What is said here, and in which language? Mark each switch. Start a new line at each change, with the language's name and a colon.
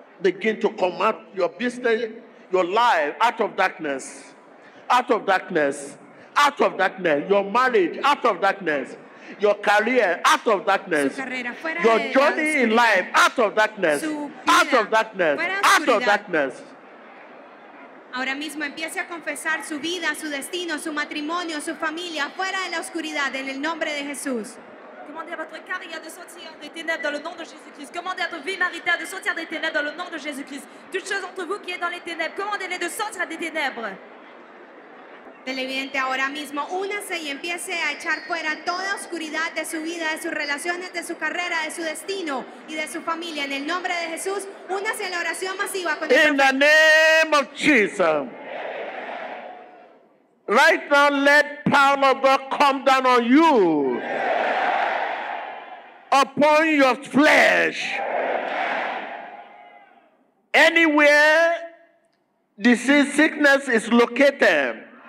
English: Begin to come out your business, your life, out of darkness. Out of darkness. Out of darkness. Your marriage, out of darkness. Your career, out of darkness. Your journey in life, out of darkness. Out of darkness. Out of darkness.
Spanish: Ahora mismo empiece a confesar su vida, su destino, su matrimonio, su familia, fuera de la oscuridad, en el nombre de Jesús.
French: Commandez à votre carrière de sortir des ténèbres dans le nom de Jésus-Christ. Commandez à votre vie maritale de sortir des ténèbres dans le nom de Jésus-Christ. Toute chose entre vous qui est dans les ténèbres, commandez-les de sortir des ténèbres.
Spanish: Televidente, ahora mismo, únase y empiece a echar fuera toda oscuridad de su vida, de sus relaciones, de su carrera, de su destino y de su familia. En el nombre de Jesús, únase a la oración masiva.
English: In the name of Jesus. Right now, let power of God come down on you. Upon your flesh. Anywhere disease, sickness is located.